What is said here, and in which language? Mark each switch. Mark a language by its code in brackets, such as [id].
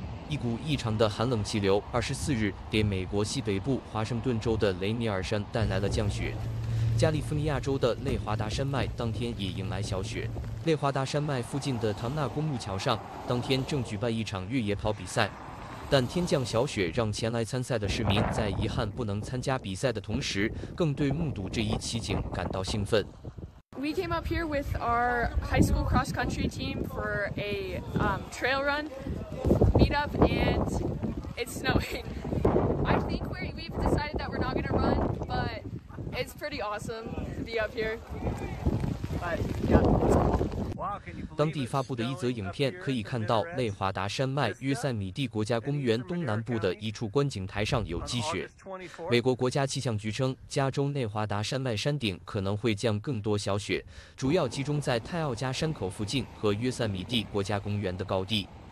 [zh] 一股异常的寒冷气流24日给美国西北部华盛顿州的雷尼尔山带来了降雪，加利福尼亚州的内华达山脉当天也迎来小雪。内华达山脉附近的唐纳公路桥上当天正举办一场越野跑比赛，但天降小雪让前来参赛的市民在遗憾不能参加比赛的同时，更对目睹这一奇景感到兴奋。 [en] We came up here with our high school cross country team for a trail run meetup and it's snowing. I think we've decided that we're not going to run, but it's pretty awesome to be up here. But yeah, it's cool. [zh] 当地发布的一则影片可以看到，内华达山脉约塞米蒂国家公园东南部的一处观景台上有积雪。美国国家气象局称，加州内华达山脉山顶可能会降更多小雪，主要集中在泰奥加山口附近和约塞米蒂国家公园的高地。